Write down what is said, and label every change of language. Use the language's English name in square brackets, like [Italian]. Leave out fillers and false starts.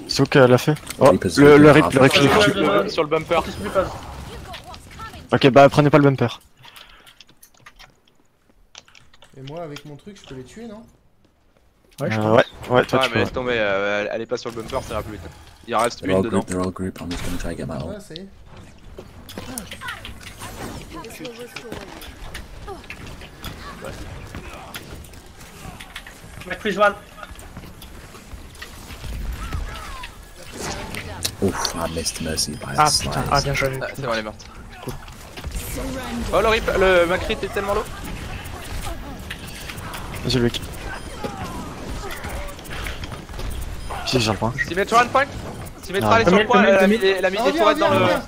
[French] C'est ok, elle a fait. Oh, le rip il est foutu. Sur le bumper. Ok, bah prenez pas le bumper. Et moi avec mon truc, je peux les tuer, non? Ouais, toi tu peux. Mais laisse tomber, elle est pas sur le bumper, ça ira plus vite. Il reste une dedans. [English] They're all group, I'm just gonna try to get my ult. Ouf, I missed mercy by a slice. [French] Ah putain, ah bien joué. C'est bon, elle est morte. Cool. Oh le rip, le Macri était tellement low. Vas-y Luke. Si j'ai un point. Si mets-toi un point, la mise des tourettes dans le.